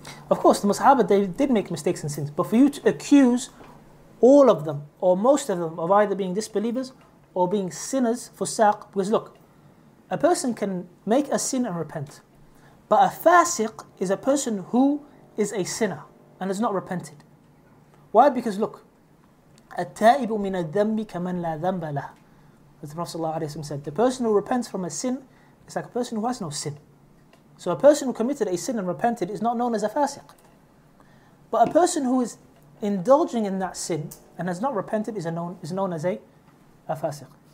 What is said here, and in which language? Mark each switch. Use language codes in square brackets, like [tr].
[en] Of course, the Sahaba, they did make mistakes and sins. But for you to accuse all of them or most of them of either being disbelievers or being sinners for saq, because look, a person can make a sin and repent. But a fasiq is a person who is a sinner and has not repented. Why? Because look, [ar] التائب من الذنب كمن لا ذنب له. [en] As the Prophet sallallahu alayhi wa sallam said, the person who repents from a sin is like a person who has no sin. So a person who committed a sin and repented is not known as a fasiq. But a person who is indulging in that sin and has not repented is known as a fasiq.